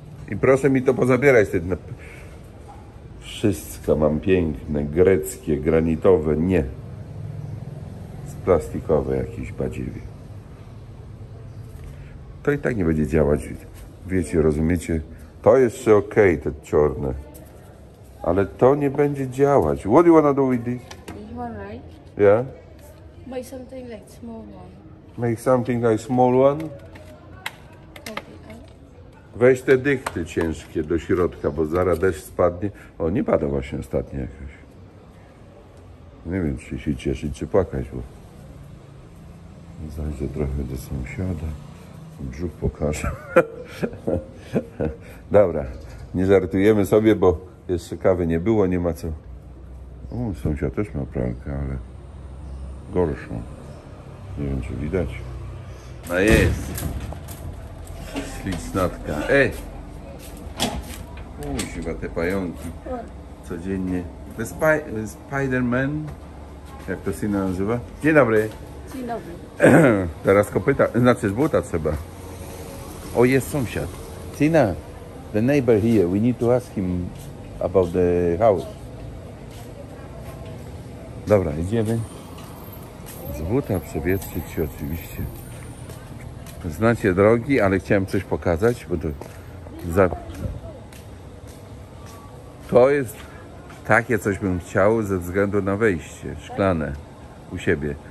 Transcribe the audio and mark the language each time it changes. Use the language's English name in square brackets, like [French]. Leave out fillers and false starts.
[Polish] I proszę mi to pozabierać. Wszystko mam piękne, greckie, granitowe. Nie. Z plastikowe jakieś badziewie. To i tak nie będzie działać. Wiecie, rozumiecie? To jeszcze ok, te czarne. Ale to nie będzie działać. [English] What do you wanna do with this? You wanna write? Yeah. Make something like small one. Make something like small one? [Polish] Weź te dychty ciężkie do środka, bo zaraz deszcz spadnie. O, nie pada właśnie ostatnio jakoś. Nie wiem, czy się cieszyć, czy płakać, bo... Zajdę trochę do sąsiada. Brzuch pokażę. Dobra, nie żartujemy sobie, bo jeszcze kawy nie było, nie ma co. O, sąsiad też ma pralkę, ale gorszą. Nie wiem, czy widać. A jest! Licznatka. Ej! Kuźwa, te pająki. Codziennie. To jest Spider-Man. Jak to się nazywa? Dzień dobry. Dzień dobry. Teraz kopyta. Znaczy z buta trzeba. O, jest sąsiad. [English] Tina, the neighbor here. We need to ask him about the house. [Polish] Dobra, idziemy. Z buta przewietrzyć się oczywiście. Znacie drogi, ale chciałem coś pokazać, bo to... To jest takie, coś bym chciał ze względu na wejście szklane u siebie.